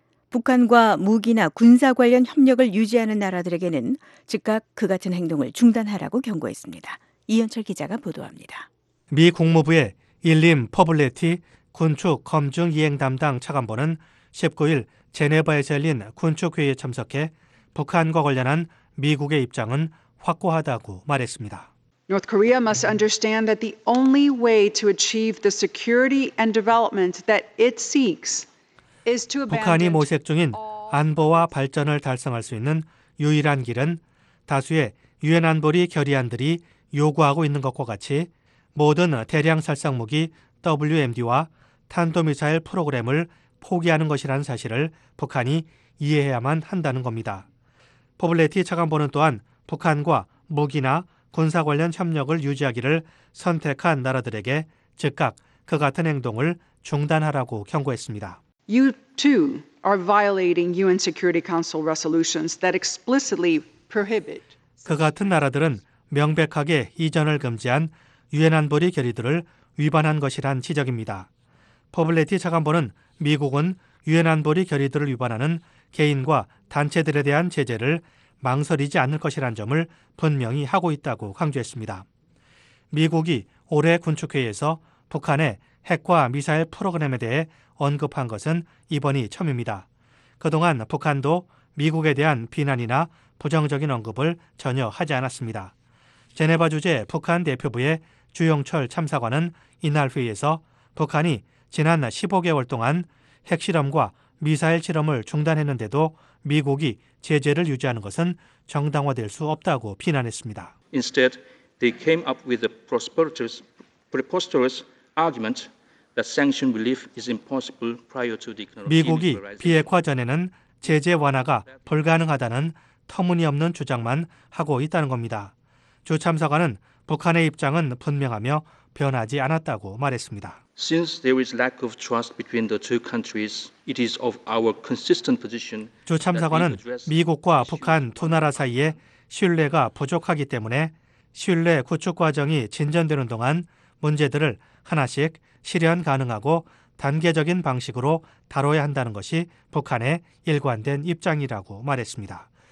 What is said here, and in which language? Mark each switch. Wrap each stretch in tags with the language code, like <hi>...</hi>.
<ko>북한과 무기나 군사 관련 협력을 유지하는 나라들에게는 즉각 그 같은 행동을 중단하라고 경고했습니다. 이현철 기자가 보도합니다. 미 국무부의 일림 퍼블레티 군축 검증 이행 담당 차관보는 19일 제네바에서 열린 군축회의에 참석해 북한과 관련한 미국의 입장은 확고하다고 말했습니다.</ko> <en>North Korea must understand that the only way to achieve the security and development that it seeks is to abandon.</en> <ko>북한이 모색 중인 안보와 발전을 달성할 수 있는 유일한 길은 다수의 유엔 안보리 결의안들이 요구하고 있는 것과 같이 모든 대량 살상 무기 WMD와 탄도미사일 프로그램을 포기하는 것이라는 사실을 북한이 이해해야만 한다는 겁니다. 포블레티 차관보는 또한 북한과 무기나 군사 관련 협력을 유지하기를 선택한 나라들에게 즉각 그 같은 행동을 중단하라고 경고했습니다.</ko> <en>You too are violating UN Security Council resolutions that explicitly prohibit.</en> <ko>그 같은 나라들은 명백하게 이전을 금지한 유엔 안보리 결의들을 위반한 것이란 지적입니다. 포블레티 차관보는 미국은 유엔 안보리 결의들을 위반하는 개인과 단체들에 대한 제재를 망설이지 않을 것이란 점을 분명히 하고 있다고 강조했습니다. 미국이 올해 군축회의에서 북한의 핵과 미사일 프로그램에 대해 언급한 것은 이번이 처음입니다. 그동안 북한도 미국에 대한 비난이나 부정적인 언급을 전혀 하지 않았습니다. 제네바 주재 북한 대표부의 주영철 참사관은 이날 회의에서 북한이 지난 15개월 동안 핵실험과 미사일 실험을 중단했는데도 미국이 제재를 유지하는 것은 정당화될 수 없다고 비난했습니다.</ko> <en>Instead, they came up with a preposterous argument that sanction relief is impossible prior to the.</en> <ko>미국이 비핵화 전에는 제재 완화가 불가능하다는 터무니없는 주장만 하고 있다는 겁니다. 주 참사관은 북한의 입장은 분명하며 변하지 않았다고 말했습니다.</ko> <en>Since there is lack of trust between the two countries, it is of our consistent position.</en> <ko>주 참사관은 미국과 북한 두 나라 사이에 신뢰가 부족하기 때문에 신뢰 구축 과정이 진전되는 동안 문제들을 하나씩 실현 가능하고 단계적인 방식으로 다뤄야 한다는 것이 북한의 일관된 입장이라고 말했습니다.</ko>